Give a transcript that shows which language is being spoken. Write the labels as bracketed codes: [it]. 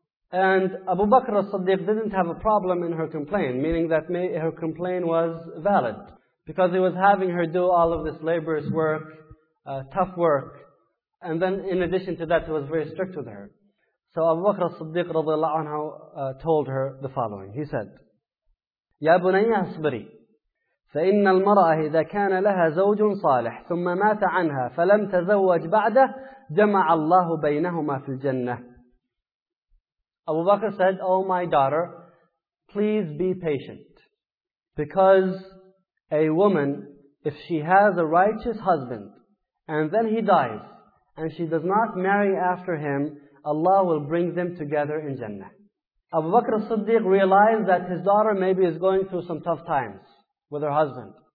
[en] And Abu Bakr as-Siddiq didn't have a problem in her complaint, meaning that her complaint was valid. Because he was having her do all of this laborious work, tough work. And then in addition to that, he was very strict with her. So Abu Bakr as-Siddiq radiallahu anhu told her the following. He said, [ar] يَا بُنَيَّ أَصْبِرِي فَإِنَّ الْمَرَأَ إِذَا كَانَ لَهَا زَوْجٌ صَالِحٌ ثُمَّ مَاتَ عَنْهَا فَلَمْ تَزَوَّجْ بَعْدَهُ جَمَعَ اللَّهُ بَيْنَهُمَا فِي الْجَنَّةِ [en] Abu Bakr said, O my daughter, please be patient. Because a woman, if she has a righteous husband, and then he dies, and she does not marry after him, Allah will bring them together in Jannah. Abu Bakr as-Siddiq realized that his daughter maybe is going through some tough times with her husband.